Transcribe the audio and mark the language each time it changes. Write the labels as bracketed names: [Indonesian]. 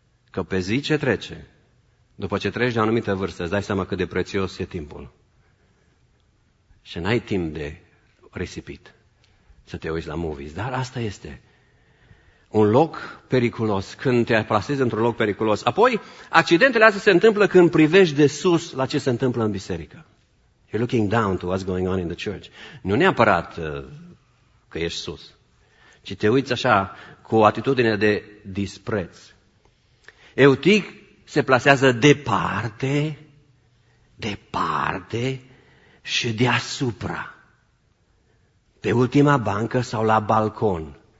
[Romanian] Că pe zi ce trece, după ce treci de o anumită vârstă, îți dai seama cât de prețios e timpul. și n-ai timp de risipit, să te uiți la movies. Dar asta este un loc periculos, când te plasezi într-un loc periculos. Apoi, accidentele astea se întâmplă când privești de sus la ce se întâmplă în biserică. [English] You're looking down to what's going on in the church. [Romanian] Nu neapărat că ești sus, ci te uiți așa cu o atitudine de dispreț. Eutich se plasează departe, departe și deasupra, pe ultima bancă sau la balcon.